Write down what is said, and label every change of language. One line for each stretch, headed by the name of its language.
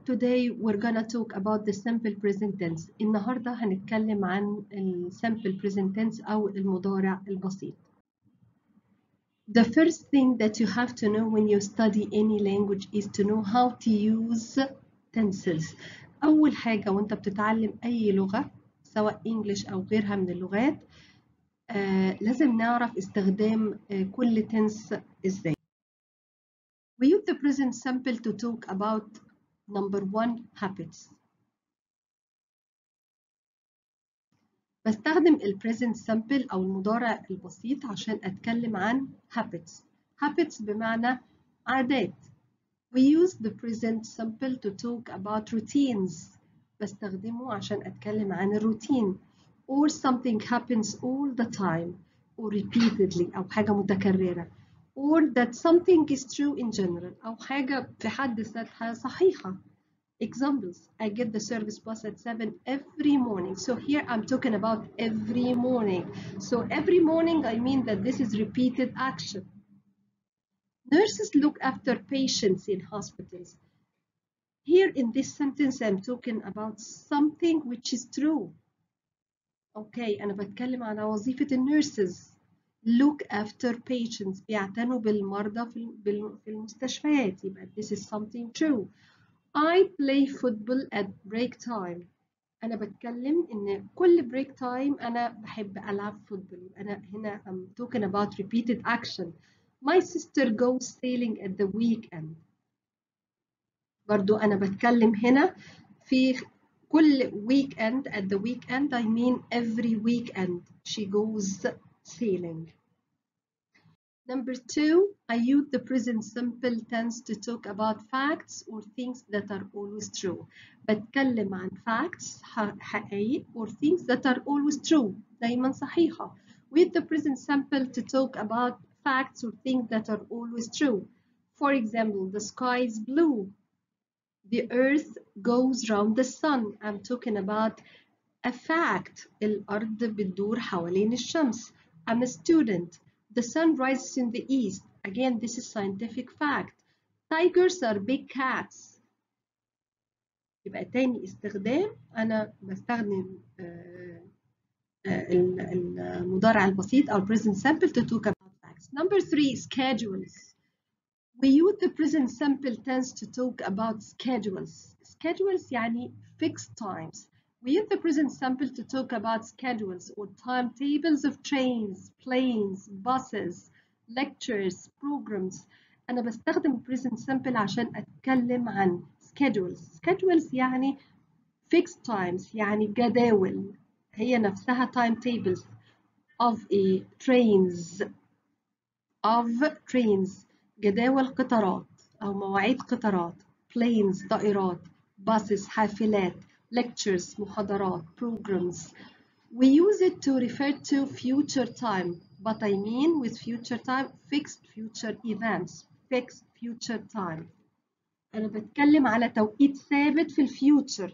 English: Today we're gonna talk about the simple present tense.
Arabic: النهاردة هنتكلم عن الـ simple present tense أو المضارع البسيط.
English: The first thing that you have to know when you study any language is to know how to use tenses.
Arabic: أول حاجة وأنت بتتعلم أي لغة سواء English أو غيرها من اللغات لازم نعرف استخدام كل تنس إزاي.
English: We use the present simple to talk about number one, habits.
Arabic: بستخدم ال present simple أو المضارع البسيط عشان أتكلم عن habits. Habits بمعنى عادات.
English: We use the present simple to talk about routines.
Arabic: بستخدمه عشان أتكلم عن الروتين.
English: Or something happens all the time or repeatedly
Arabic: أو حاجة متكررة.
English: Or that something is true in general.
Arabic: أو حاجة في حد ذاتها صحيحة.
English: Examples. I get the service bus at 7 every morning. So here I'm talking about every morning. So every morning I mean that this is repeated action. Nurses look after patients in hospitals. Here in this sentence I'm talking about something which is true. Okay,
Arabic: أنا بتكلم عن وظيفة النيرسز.
English: Look after patients,
Arabic: بيعتنوا بالمرضى في المستشفيات.
English: But this is something true. I play football at break time.
Arabic: أنا بتكلم إن كل break time أنا بحب ألعب football. أنا هنا
English: I'm talking about repeated action. My sister goes sailing at the weekend.
Arabic: برضو أنا بتكلم هنا في كل weekend.
English: At the weekend I mean every weekend she goes sailing. Number two, I use the present simple tense to talk about facts or things that are always true.
Arabic: بتكلم عن
English: facts
Arabic: حقيقي
English: or things that are always true
Arabic: دايما صحيحة.
English: With the present simple to talk about facts or things that are always true. For example, the sky is blue. The earth goes round the sun. I'm talking about a fact.
Arabic: الأرض بتدور حوالين الشمس.
English: I'm a student. The sun rises in the east. Again, this is scientific fact. Tigers are big cats.
Arabic: يبقى تاني استخدام أنا بستخدم المضارع البسيط أو
English: present simple to talk about facts. Number three, schedules. We use the present simple tense to talk about schedules. Schedules
Arabic: يعني
English: fixed times. We use the present simple to talk about schedules or timetables of trains, planes, buses, lectures, programs.
Arabic: أنا بستخدم present simple عشان أتكلم عن schedules. Schedules يعني
English: fixed times,
Arabic: يعني جداول. هي نفسها
English: timetables of a trains. Of trains.
Arabic: جداول قطارات أو مواعيد قطارات.
English: Planes,
Arabic: طائرات.
English: Buses,
Arabic: حافلات.
English: Lectures,
Arabic: محاضرات,
English: programs. We use it to refer to future time. But I mean with future time, fixed future events. Fixed future time.
Arabic: أنا بتكلم على توقيت ثابت في الفيوتشر.